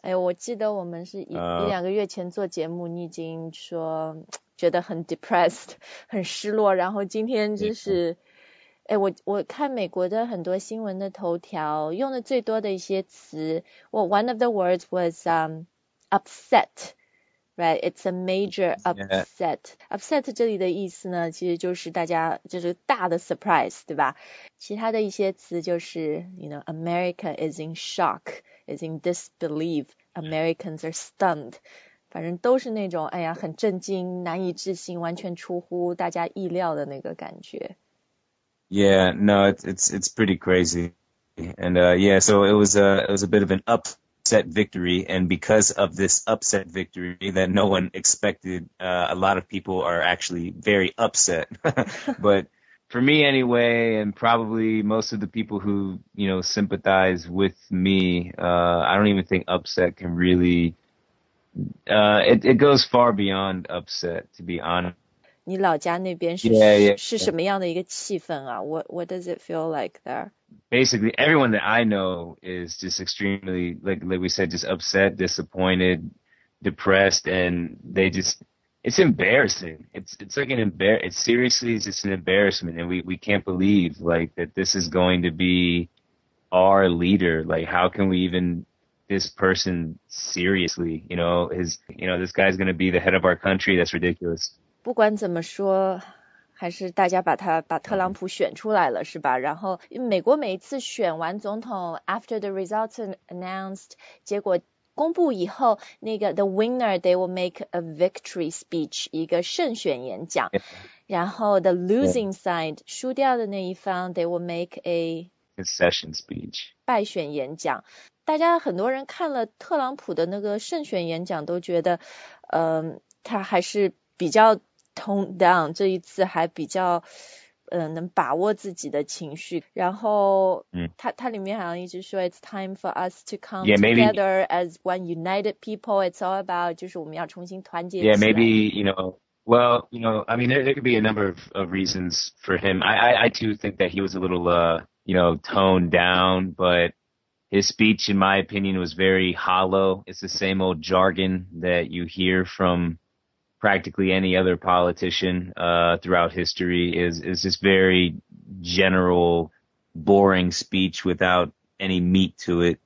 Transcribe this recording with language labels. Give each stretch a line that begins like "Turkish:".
Chinese: 哎，我记得我们是一两个月前做节目，你已经说觉得很 depressed, 很失落。然后今天就是，哎，我看美国的很多新闻的头条，用的最多的一些词，
English: one of the words was upset. Right, it's a major upset.、Yeah.
Chinese: Upset 这里的意思呢，其实就是大家就是大的 surprise， 对吧？其他的一些词就是
English: ，you know, America is in shock, is in disbelief, Americans are stunned.
Chinese: 反正都是那种哎呀，很震惊、难以置信、完全出乎大家意料的那个感觉。
English: Yeah, no, it's pretty crazy, and yeah, so it was a bit of an up. Upset victory, and because of this upset victory that no one expected, a lot of people are actually very upset. But for me anyway, and probably most of the people who, you know, sympathize with me, I don't even think upset can really, it goes far beyond upset, to be honest.
Chinese: 你老家那边是 是什么样的一个气氛啊？
English: What does it feel like there? Basically, everyone that I know is just extremely, like we said, just upset, disappointed, depressed, and they just, it's embarrassing. It's like an embarrassment. It's seriously, it's just an embarrassment, and we can't believe, like, that this is going to be our leader. Like, how can we even, this person seriously, you know, is, you know, this guy's going to be the head of our country. That's ridiculous.
Chinese: 不管怎么说。还是大家把特朗普选出来了是吧？然后美国每一次选完总统 ，
English: after the results announced，
Chinese: 结果公布以后，那个
English: the winner they will make a victory speech，
Chinese: 一个胜选演讲。然后
English: the losing side
Chinese: 输掉的那一方
English: they will make a concession speech
Chinese: 败选演讲。大家很多人看了特朗普的那个胜选演讲都觉得，他还是比较。
English: Toned down,
Chinese: 这一次还比较能把握自己的情绪。然后他里面好像一直说
English: it's time for us to come together as one united people. It's all about,
Chinese: 就是我们要重新团结起来。
English: Yeah, maybe, you know, well, you know, I mean, there could be a number of reasons for him. I too think that he was a little, you know, toned down, but his speech, in my opinion, was very hollow. It's the same old jargon that you hear from... practically any other politician throughout history is this very general, boring speech without any meat to it.